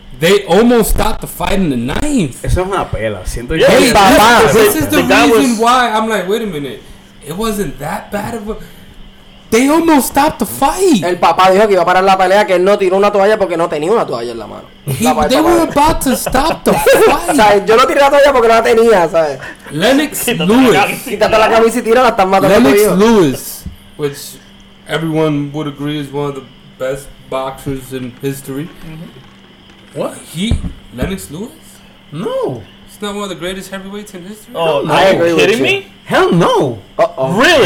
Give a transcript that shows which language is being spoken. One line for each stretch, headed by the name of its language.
English: They almost stopped the fight in the ninth.
Spanish: Eso es una pela.
English: This is the reason why I'm like, wait a minute. It wasn't that bad of a... They almost stopped the fight.
Spanish: El papá dijo que iba a parar la pelea, que él no tiró una toalla porque no tenía una toalla en la mano.
English: They were about to stop the fight.
Spanish: O sea, yo no tiré la toalla porque no la tenía, ¿sabes?
English: Lennox Lewis.
Spanish: Quítate la camisa y tira, la están matando.
English: Lennox Lewis, which everyone would agree is one of the best boxers in history. Mm-hmm. What? He? Lennox Lewis? No. He's not one of the greatest heavyweights in history? Oh, no. Are you kidding me? Hell no. Uh-oh. Really?